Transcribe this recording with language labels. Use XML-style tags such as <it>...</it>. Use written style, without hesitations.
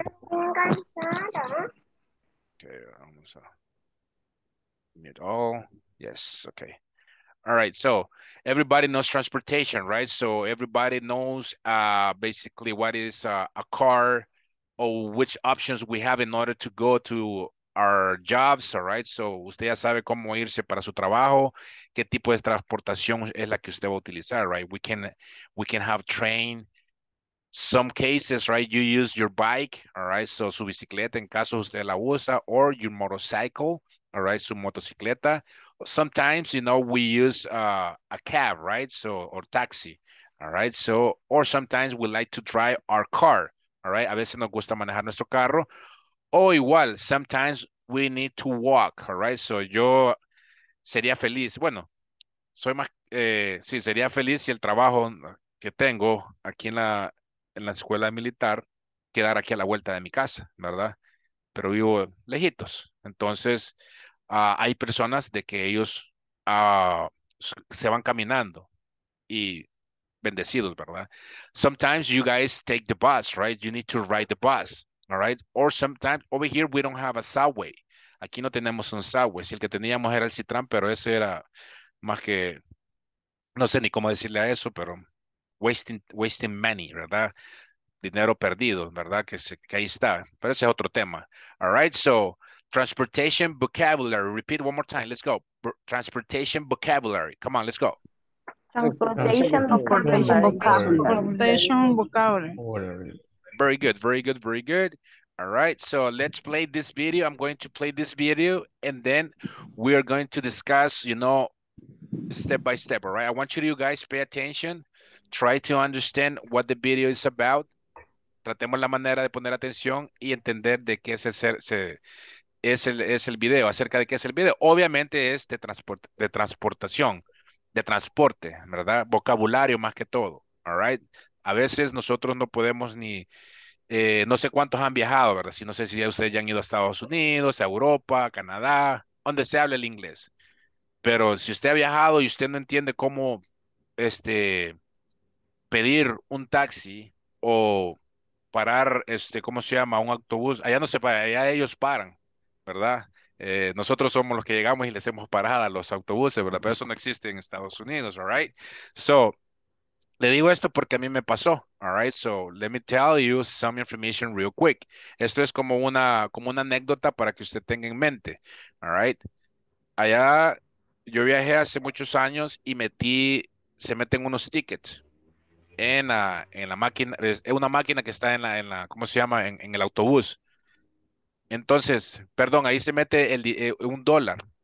<en>Okay,</en> <es>vamos a</es> <en>mute all. Yes, okay. All right, so everybody knows transportation, right? So everybody knows basically what is a car or which options we have in order to go to our jobs, all right?</en> <es>So usted ya sabe cómo irse para su trabajo, qué tipo de transportación es la que usted va a utilizar, right?</es> <en>We can have train. Some cases, right, you use your bike, all right? So</en> <es>su bicicleta en caso usted la usa,</es> <en>or your motorcycle, all right,</en> <es>su motocicleta.</es> <en>Sometimes, you know, we use a cab, right? So, or taxi, all right? So, or sometimes we like to drive our car, all right?</en> <es>A veces nos gusta manejar nuestro carro. O igual,</es> <en>sometimes we need to walk, all right?</en> <es>So, yo sería feliz, bueno, soy más, sí, sería feliz si el trabajo que tengo aquí en la escuela militar quedara aquí a la vuelta de mi casa, ¿verdad? Pero vivo lejitos, entonces... hay personas de que ellos se van caminando y bendecidos, ¿verdad?</es> <en>Sometimes you guys take the bus, right? You need to ride the bus, all right? Or sometimes, over here, we don't have a subway.</en> <es>Aquí no tenemos un subway. Si el que teníamos era el Citran, pero ese era más que, no sé ni cómo decirle a eso, pero</es> <en>wasting money,</en> <es>¿verdad? Dinero perdido, ¿verdad? Que ahí está. Pero ese es otro tema, all right?</es> <en>So, transportation vocabulary. Repeat one more time. Let's go. Transportation vocabulary. Come on, let's go. Transportation vocabulary. Very good. Very good. Very good. All right. So let's play this video. I'm going to play this video and then we are going to discuss, you know, step by step. All right. I want you guys pay attention. Try to understand what the video is about.</en> <es>Tratemos la manera de poner atención y entender de qué es el video, acerca de qué es el video. Obviamente es de transporte, ¿verdad? Vocabulario más que todo, all right? A veces nosotros no podemos ni, no sé cuántos han viajado, ¿verdad? Si no sé si ya ustedes ya han ido a Estados Unidos, a Europa, a Canadá, donde se habla el inglés. Pero si usted ha viajado y usted no entiende cómo pedir un taxi o parar, ¿cómo se llama? Un autobús, allá no se para, allá ellos paran, ¿verdad? Nosotros somos los que llegamos y les hemos parado a los autobuses, ¿verdad? Pero eso no existe en Estados Unidos, all right? So, le digo esto porque a mí me pasó, all right?</es> <en>So, let me tell you some information real quick.</en> <es>Esto es como una anécdota para que usted tenga en mente, all right? Allá, yo viajé hace muchos años y se meten unos tickets en la máquina, es una máquina que está en la ¿cómo se llama? En el autobús. Entonces, perdón, ahí se mete un dólar.</es>